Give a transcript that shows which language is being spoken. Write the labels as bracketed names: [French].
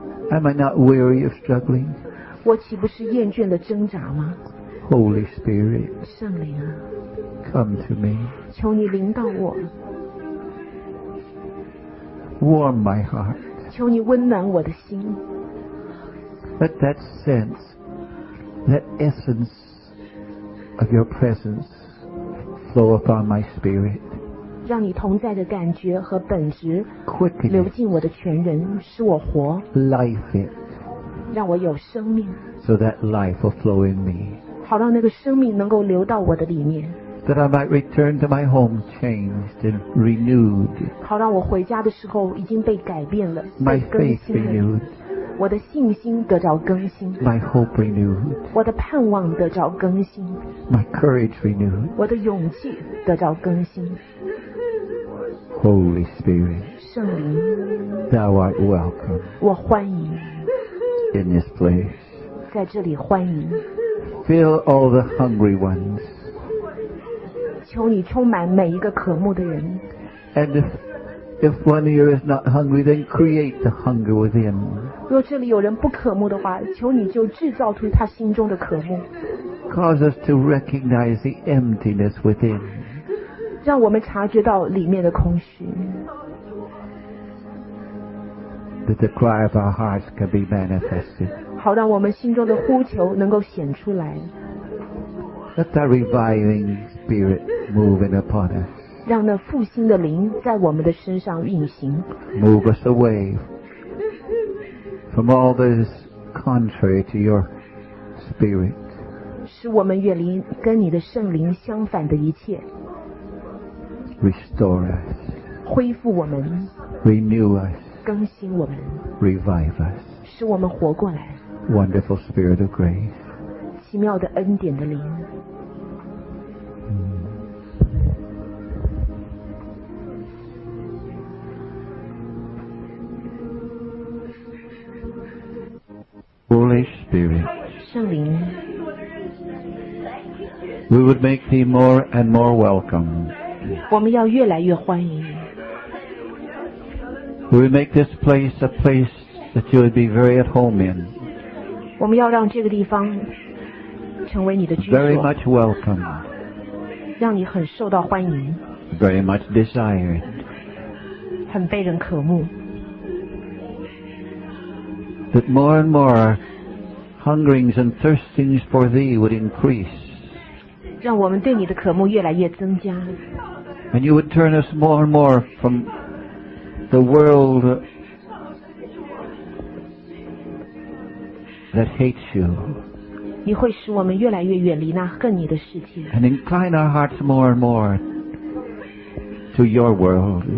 [English] Am I not weary of struggling? [Chinese] 我岂不是厌倦的挣扎吗？ [English] Holy Spirit, [Chinese] 圣灵啊， [English] come to me. [Chinese] 求你临到我。 [English] Warm my heart. [Chinese] 求你温暖我的心。 [English] Let that sense, that essence of your presence flow upon my spirit. [Chinese] 让你同在的感觉和本质流进我的全人使我活 [English] life it [Chinese] 让我有生命 [English] so that life will flow in me [Chinese] 好让那个生命能够流到我的里面 [English] that I might return to my home changed and renewed [Chinese] 好让我回家的时候已经被改变了 [English] my faith renewed [Chinese] 我的信心得着更新 [English] my hope renewed [Chinese] 我的盼望得着更新 [English] my courage renewed [Chinese] 我的勇气得着更新 [English] Holy Spirit, [Chinese] 圣灵 [English] Thou art welcome. [Chinese] 我欢迎 [English] in this place. [Chinese] 在这里欢迎。 [English] Fill all the hungry ones. [Chinese] 求你充满每一个渴慕的人。 [English] And if one here is not hungry, then create the hunger within. [Chinese] 若这里有人不渴慕的话，求你就制造出他心中的渴慕。 [English] Cause us to recognize the emptiness within. [Chinese] 让我们察觉到里面的空虚。 [English] That the cry of our hearts can be manifested. [Chinese] 好让我们心中的呼求能够显出来。 [English] Let the reviving spirit move in upon us. [Chinese] 让那复兴的灵在我们的身上运行。 [English] Move us away from all those contrary to your spirit. [Chinese] 使我们远离跟你的圣灵相反的一切。 [English] Restore us. [Chinese] 恢复我们。 [English] Renew us. [Chinese] 更新我们 [English] revive us [Chinese] 使我们活过来 [English] wonderful spirit of grace [Chinese] 奇妙的恩典的灵、 [English] Holy Spirit [Chinese] 圣灵 [English] We would make thee more and more welcome [Chinese] 我们要越来越欢迎 [English] We make this place a place that you would be very at home in. [Chinese] 我们要让这个地方成为你的居所。 [English] Very much welcome. [Chinese] 让你很受到欢迎。 [English] Very much desired. [Chinese] 很被人渴慕。 [English] That more and more hungerings and thirstings for thee would increase. [Chinese] 让我们对你的渴慕越来越增加。 [English] And you would turn us more and more from... The world that hates you. [Chinese] 你会使我们越来越远离那恨你的世界。 [English] And incline our hearts more and more to your world.